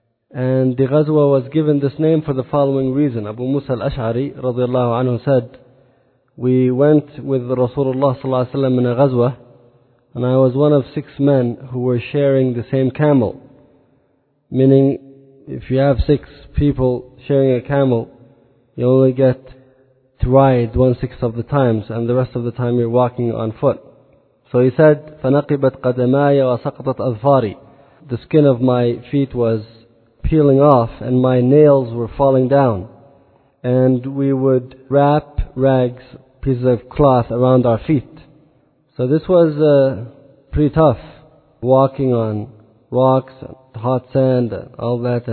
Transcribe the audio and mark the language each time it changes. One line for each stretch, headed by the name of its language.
English: And the Ghazwa was given this name for the following reason. Abu Musa al-Ash'ari radiallahu anhu said, we went with Rasulullah sallallahu alayhi wa sallam in a Ghazwa, and I was one of six men who were sharing the same camel. Meaning, if you have six people sharing a camel, you only get to ride 1/6 of the times, and the rest of the time you're walking on foot. So he said,
Arabic: فَنَقِبَتْ قَدَمَايَ وَسَقَطَتْ أَذْفَارِ.
English: The skin of my feet was peeling off, and my nails were falling down. And we would wrap rags, pieces of cloth, around our feet. So this was pretty tough, walking on rocks, hot sand, and all that.